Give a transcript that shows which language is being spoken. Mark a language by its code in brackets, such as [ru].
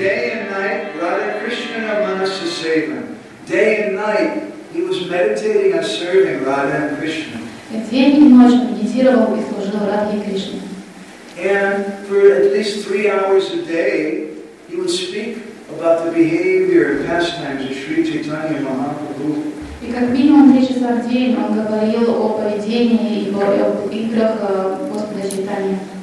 [en] Day and night Radha Krishna Manasa Seva, day and night he was meditating on serving Radha and Krishna. [ru] День и ночь медитировал и служил Радхе Кришне. [en] And for at least 3 hours a day, he would speak about the behavior and pastimes of Sri Chaitanya Mahaprabhu. [ru] И как минимум 3 часа в день он говорил о поведении и о играх Господа Чайтаньи.